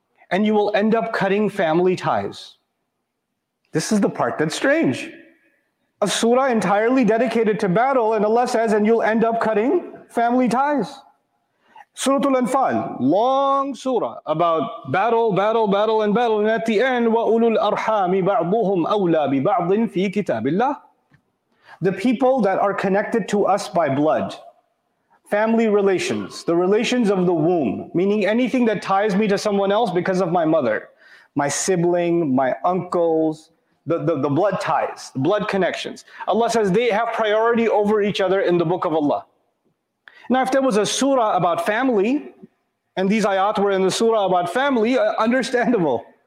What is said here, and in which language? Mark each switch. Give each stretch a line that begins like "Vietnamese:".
English: And you will end up cutting family ties. This is the part that's strange. A surah entirely dedicated to battle, and Allah says, and you'll end up cutting family ties. Surah Al-Anfal, long surah about battle, battle, battle, and battle. And at the end,
Arabic: وَأُولُو الْأَرْحَامِ بَعْضُهُمْ أَوْلَى بِبَعْضٍ فِي كِتَابِ اللَّهِ.
English: The people that are connected to us by blood. Family relations, the relations of the womb, meaning anything that ties me to someone else because of my mother, my sibling, my uncles, the blood ties, the blood connections. Allah says they have priority over each other in the book of Allah. Now, if there was a surah about family, and these ayat were in the surah about family, understandable.